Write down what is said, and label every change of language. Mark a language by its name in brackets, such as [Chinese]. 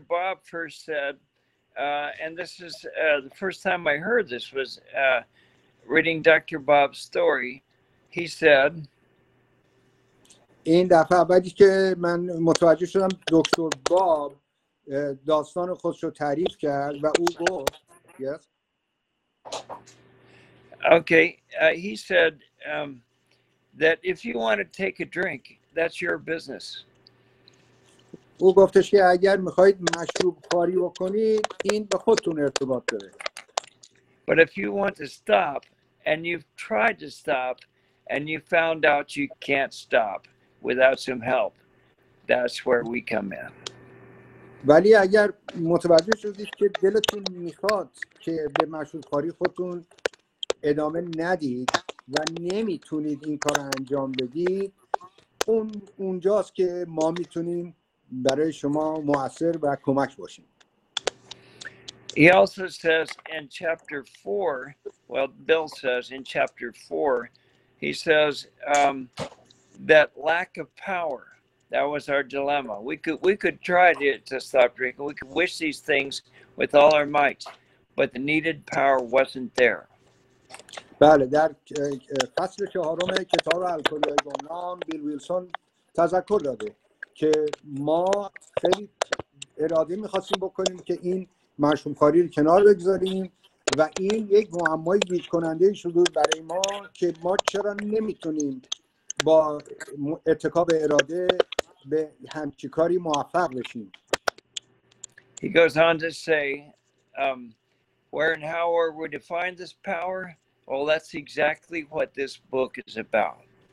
[English] Bob first said, and this is the first time I heard this was reading Dr. Bob's story. He said, [Persian] این دفعه بعدی که من متوجه شدم دکتر باب داستان خودش رو تعریف کرد و او گفت [English] yes. Okay, he said that if you want to take a drink, that's your business. [Persian] او گفتش که اگر میخواید مشروب خواری بکنید این به خودتون ارتباط داره. [English] But if you want to stop and you've tried to stop and you found out you can't stop without some help, that's where we come in. [Persian] ولی اگر متوجه شدید که دلتون میخواد که به مشروب خواری خودتون ادامه ندید و نمیتونید این کار انجام بدید، اونجاست که ما میتونیم برای شما مؤثر و کمک باشیم. [English] He also says in chapter 4, well, Bill says in chapter 4, he says that lack of power, that was our dilemma. We could try to stop drinking, we could wish these things with all our might, but the needed power wasn't there. [Persian] بله، در فصل چهارم کتاب الکلی گمنام بیل ویلسون تذکر داده که ما خیلی اراده میخواستیم بکنیم که این مشروب خواری رو کنار بگذاریم و این یک معمای گیج کننده شد برای ما که ما چرا نمیتونیم با اتکا به اراده به همچی کاری موفق بشیم. [English] He goes on to say where and how are we to find this power? Well, that's exactly what this book is about.